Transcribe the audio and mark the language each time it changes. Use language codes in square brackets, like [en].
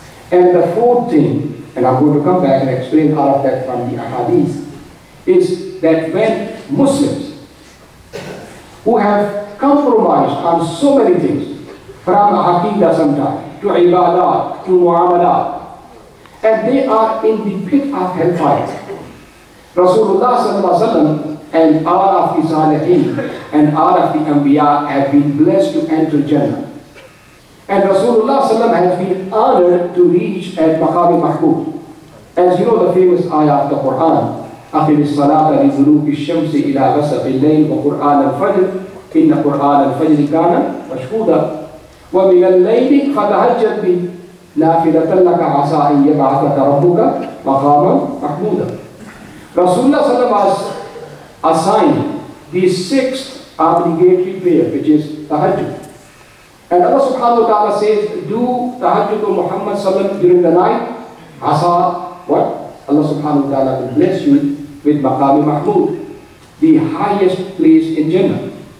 [en] And the fourth thing, and I'm going to come back and explain all of that from the ahadith, is that when Muslims who have compromised on so many things, from aqeedah sometimes, to ibadah, to muamalah, and they are in the pit of hellfire, Rasulullah sallallahu alayhi wa sallam and all of the salihin and all of the anbiya have been blessed to enter Jannah. And Rasulullah sallallahu alayhi wa sallam has been honored to reach at Maqami Mahmood. As you know the famous ayah of the Quran, [ar] أَقِمِ الصَّلَاةَ لِذُلُوكِ الشَّمْسِ إِلَىٰ غَسَقِ اللَّيْلِ وَقُرْآنَ الْفَجْرِ إِنَّ قُرْآنَ الْفَجْرِ كَانَ مَشْهُودًا وَمِنَ اللَّيْلِ فَتَهَجَّدْ بِهِ نَافِلَةً لَكَ عَسَىٰ أَن يَبْعَثَكَ رَبُّكَ مَقَامًا مَحْمُودًا. [en] Rasulullah sallam has assigned the sixth obligatory prayer, which is tahajjud. And Allah subhanahu wa ta'ala says, do tahajjud of Muhammad sallam during the night. Asa, what? Allah subhanahu wa ta'ala will bless you with Maqami Mahmood, the highest place in Jannah.